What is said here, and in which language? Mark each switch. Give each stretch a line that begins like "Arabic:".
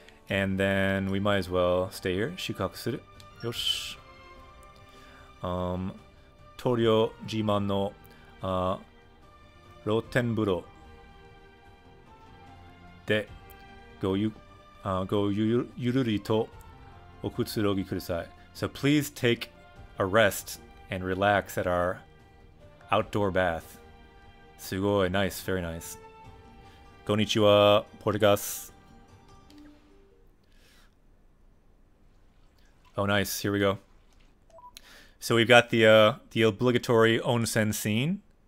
English: And then we might as well stay here.
Japanese: 宿泊する。よし。東京自慢の露天風呂でごゆるりとおくつろぎください。
English: So please take a rest and relax at our outdoor bath.
Japanese: すごい、
English: nice, very nice.
Japanese: こんにちは、ポルガス。
English: Oh, nice, here we go. So we've got the obligatory onsen scene.